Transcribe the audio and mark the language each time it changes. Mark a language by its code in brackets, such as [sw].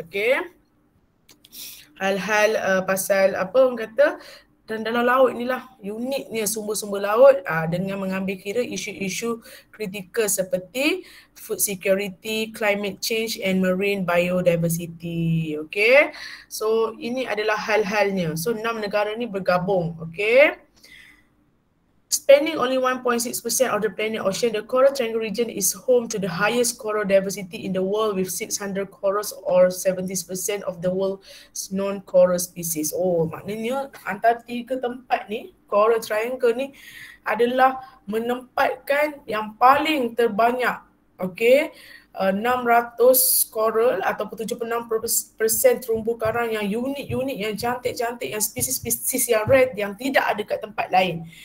[ms] Okay, hal-hal pasal apa orang kata dan dalam laut inilah uniknya sumber-sumber laut dengan mengambil kira isu-isu kritikal seperti [en] food security, climate change and marine biodiversity. [ms] Okay, so ini adalah hal-halnya. So enam negara ni bergabung. [en] Okay, spanning only 1.6% of the planet ocean, the coral triangle region is home to the highest coral diversity in the world with 600 corals or 70% of the world's known coral species. [ms] Oh, maknanya antara tiga tempat ni, coral triangle ni adalah menempatkan yang paling terbanyak. Okay, 600 coral ataupun 76% terumbu karang yang unik-unik, yang cantik-cantik, yang spesies-spesies yang rare yang tidak ada kat tempat lain.